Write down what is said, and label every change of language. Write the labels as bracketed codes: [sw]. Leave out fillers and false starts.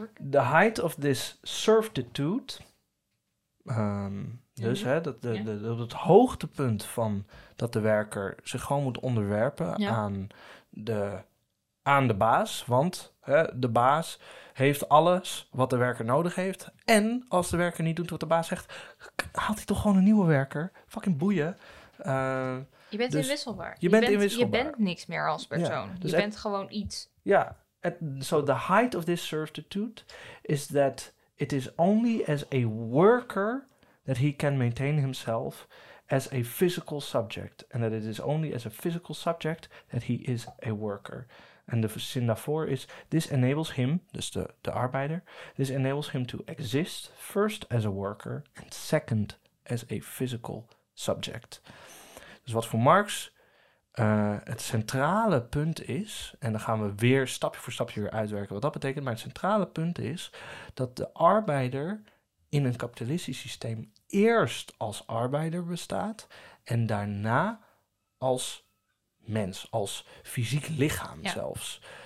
[en] The height of this servitude, [nl] het hoogtepunt van dat de werker zich gewoon moet onderwerpen aan de baas, want de baas heeft alles wat de werker nodig heeft. En als de werker niet doet wat de baas zegt, haalt hij toch gewoon een nieuwe werker. Fucking boeien. Je bent dus inwisselbaar. Je bent inwisselbaar. Je bent niks meer als persoon. Ja, dus je bent gewoon iets. Ja. [en] So the height of this servitude is that it is only as a worker that he can maintain himself as a physical subject. And that it is only as a physical subject that he is a worker. [nl] En de zin daarvoor is, [en] this enables him, [nl] dus de arbeider, [en] this enables him to exist first as a worker and second as a physical subject. [nl] Dus wat voor Marx het centrale punt is, en dan gaan we weer stapje voor stapje weer uitwerken wat dat betekent, maar het centrale punt is dat de arbeider in een kapitalistisch systeem eerst als arbeider bestaat en daarna als mens, als fysiek lichaam zelfs.